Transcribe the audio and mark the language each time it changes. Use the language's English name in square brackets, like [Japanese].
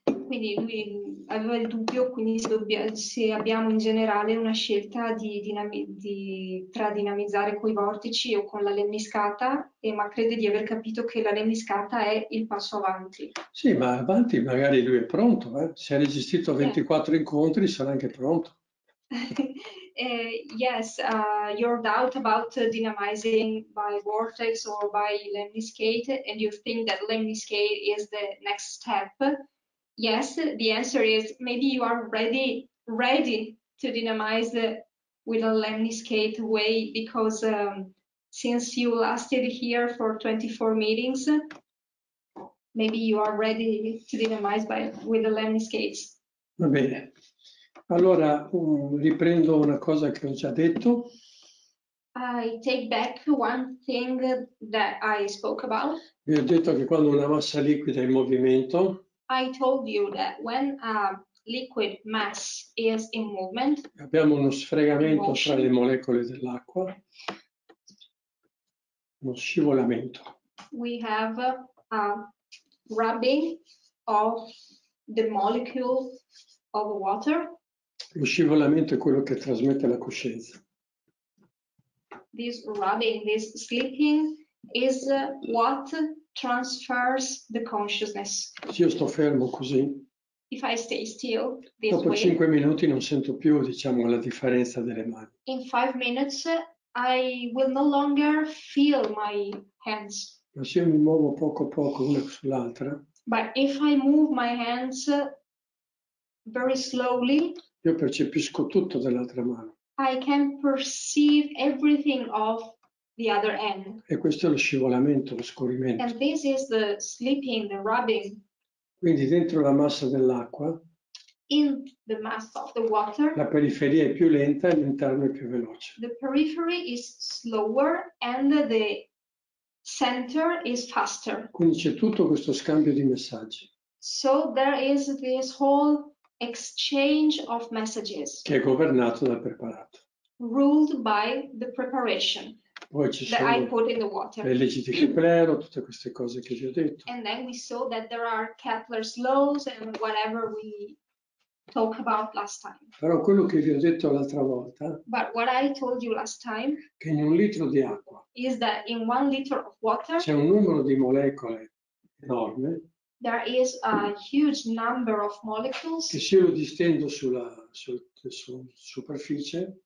[Italian] Quindi lui aveva il dubbio, quindi se abbiamo in generale una scelta tra dinamizzare coi vortici o con la lemniscata, ma crede di aver capito che la lemniscata è il passo avanti. Sì, ma avanti magari lui è pronto, eh? Se ha resistito a 24 incontri sarà anche pronto. [English] yes, your doubt about dynamizing by vortex or by lemniscate, and you think that lemniscate is the next step. Yes, the answer is maybe you are ready to dynamize with a lemniscate way, because since you lasted here for 24 meetings, maybe you are ready to dynamize with the lemniscates. [Italian] Va bene. Allora, riprendo una cosa che ho già detto. [English] I take back one thing that I spoke about. [Italian] Vi ho detto che quando una massa liquida è in movimento. [English] I told you that when a liquid mass is in movement. [Italian] Abbiamo uno sfregamento tra le molecole dell'acqua. Uno scivolamento. [English] We have a rubbing of the molecule of water. [Italian] Lo scivolamento è quello che trasmette la coscienza. [English] This rubbing, this slipping, is what transfers the consciousness. [Italian] Se io sto fermo così, [English] if I stay still this [Italian] dopo [English] way, [Italian] 5 minuti non sento più, diciamo, la differenza delle mani. [English] In 5 minutes I will no longer feel my hands. [Italian] Ma se io mi muovo poco a poco una sull'altra, [English] but if I move my hands very slowly, [Italian] io percepisco tutto dell'altra mano. [English] I can perceive everything of the other hand. [Italian] E questo è lo scivolamento, lo scorrimento. [English] And this is the slipping, the rubbing. [Italian] Quindi dentro la massa dell'acqua, [English] in the mass of the water, [Italian] la periferia è più lenta e l'interno è più veloce. [English] The periphery is slower and the center is faster. [Italian] Quindi c'è tutto questo scambio di messaggi. [English] So there is this whole exchange of messages, [Italian] che è governato dal preparato, [English] ruled by the preparation. [Italian] Poi ci [English] that [Italian] sono [English] I put in the water. [Italian] Le leggi di Kepler, tutte queste cose che vi ho detto. [English] And then we saw that there are Kepler's laws and whatever we talked about last time. [Italian] Però quello che vi ho detto l'altra volta, [English] but what I told you last time, [Italian] che in un litro di acqua [English] is that in 1 liter of water [Italian] c'è un numero di molecole enorme. [English] There is a huge number of molecules. [Italian] Che se io lo distendo sulla superficie,